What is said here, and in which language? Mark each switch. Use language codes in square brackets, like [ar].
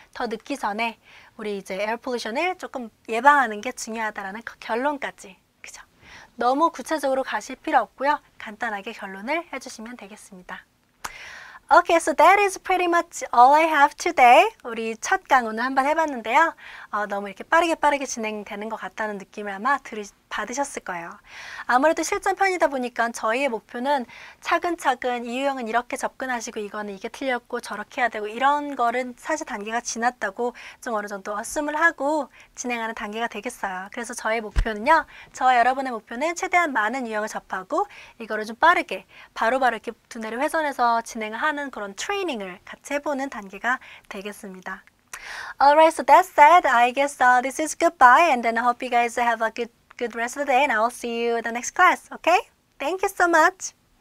[ko] 더 늦기 전에 우리 이제 에어 폴루션을 조금 예방하는 게 중요하다라는 결론까지. 그죠? 너무 구체적으로 가실 필요 없고요. 간단하게 결론을 해주시면 되겠습니다. [en] Okay, so that is pretty much all I have today. [ko] 우리 첫 강의 오늘 한번 해봤는데요. 너무 이렇게 빠르게 진행되는 것 같다는 느낌을 아마 받으셨을 거예요. 아무래도 실전 편이다 보니까 저희의 목표는 차근차근 이 유형은 이렇게 접근하시고 이거는 이게 틀렸고 저렇게 해야 되고 이런 거는 사실 단계가 지났다고 좀 어느 정도 어슴을 하고 진행하는 단계가 되겠어요. 그래서 저의 목표는요. 저와 여러분의 목표는 최대한 많은 유형을 접하고 이거를 좀 빠르게 바로바로 이렇게 두뇌를 회전해서 진행을 하는 그런 트레이닝을 같이 해보는 단계가 되겠습니다. [en] Alright, so that's it. I guess this is goodbye, and then I hope you guys have a good rest of the day, and I'll see you in the next class, okay? Thank you so much.